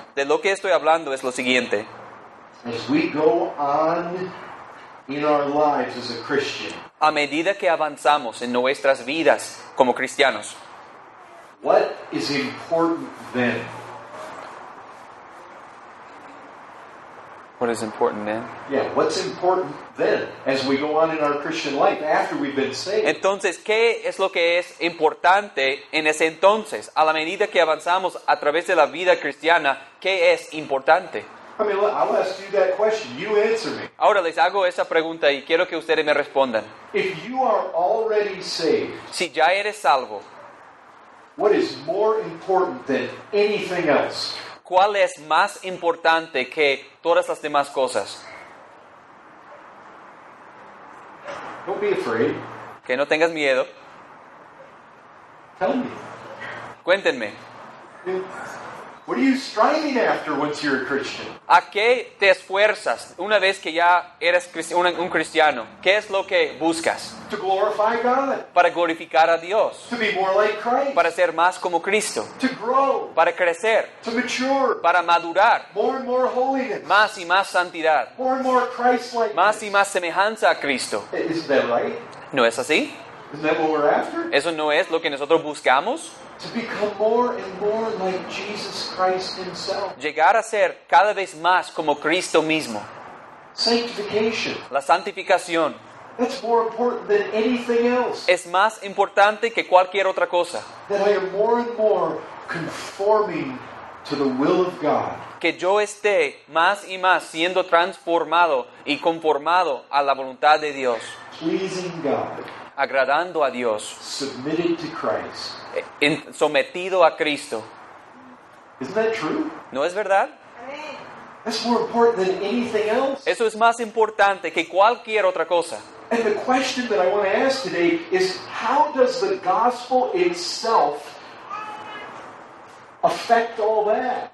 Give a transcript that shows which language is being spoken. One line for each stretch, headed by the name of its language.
Spanish: De lo que estoy hablando es lo siguiente.
English: As we go on in our lives as a Christian.
Spanish: A medida que avanzamos en nuestras vidas como cristianos.
English: What is important then? What is important then? Yeah, what's important then as we go on in our Christian life after we've been saved?
Spanish: Entonces, ¿qué es lo que es importante en ese entonces? A la medida que avanzamos a través de la vida cristiana, ¿qué es importante?
English: I mean, look, I'll ask you that question. You answer me.
Spanish: Ahora les hago esa pregunta y quiero que ustedes me respondan.
English: If you are already saved,
Spanish: si ya eres salvo,
English: what is more important than anything else?
Spanish: ¿Cuál es más importante que todas las demás cosas?
English: Don't be afraid.
Spanish: Que no tengas miedo.
English: Tell me.
Spanish: Cuéntenme.
English: What are you striving after once you're a Christian?
Spanish: ¿A qué te esfuerzas una vez que ya eres un cristiano? ¿Qué es lo que buscas?
English: To glorify God.
Spanish: Para glorificar a Dios.
English: To be more like Christ.
Spanish: Para ser más como Cristo.
English: To grow.
Spanish: Para crecer.
English: To mature.
Spanish: Para madurar.
English: More and more holiness.
Spanish: Más y más santidad.
English: More and more Christ-like.
Spanish: Más y más semejanza a Cristo.
English: Is that right?
Spanish: ¿No es así?
English: Isn't that what we're after?
Spanish: ¿Eso no es lo que nosotros buscamos?
English: To become more and more like Jesus Christ himself.
Spanish: Llegar a ser cada vez más como Cristo mismo.
English: Sanctification.
Spanish: La santificación.
English: That's more important than anything else.
Spanish: Es más importante que cualquier otra cosa.
English: That I am more and more conforming to the will of God.
Spanish: Que yo esté más y más siendo transformado y conformado a la voluntad de Dios.
English: Pleasing God.
Spanish: Agradando a Dios.
English: Submitted to Christ.
Spanish: Sometido a Cristo.
English: Isn't that true?
Spanish: ¿No es verdad?
English: That's more important than anything else.
Spanish: Eso es más importante que cualquier otra cosa.
English: And the question that I want to ask today is, how does the gospel itself affect all that?